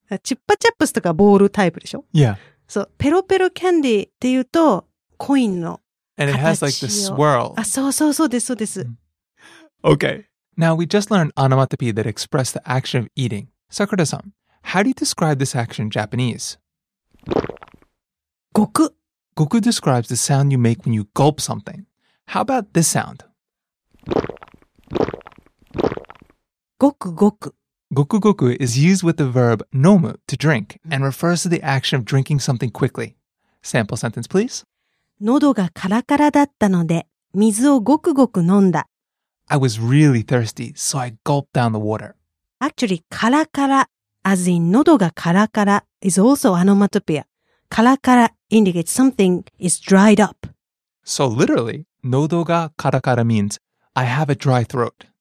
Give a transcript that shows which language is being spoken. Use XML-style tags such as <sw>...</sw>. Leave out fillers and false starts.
<ja>チッパチャップスとかボールタイプでしょ?</ja> <en>Yeah.</en> <ja>So, ペロペロキャンディっていうと、コインの形を。</ja> <en>And it has like the swirl.</en> <ja>あ、そうそうそうです、そうです。</ja> <en>Okay. Now, we just learned onomatopoeia that express the action of eating. Sakurada-san. How do you describe this action in Japanese?</en> <ja>Goku.</ja> <en>Goku describes the sound you make when you gulp something. How about this sound?</en> <ja>Goku goku.</ja> <en>Goku goku is used with the verb nomu to drink and refers to the action of drinking something quickly. Sample sentence, please.</en> <ja>喉がカラカラだったので水をごくごく飲んだ。</ja> <en>I was really thirsty, so I gulped down the water. Actually, カラカラ。As in,</en> <ja>喉がカラカラ</ja> <en>is also onomatopoeia. カラカラ indicates something is dried up. So literally,</en> <ja>喉がカラカラ</ja> <en>means I have a dry throat.</en>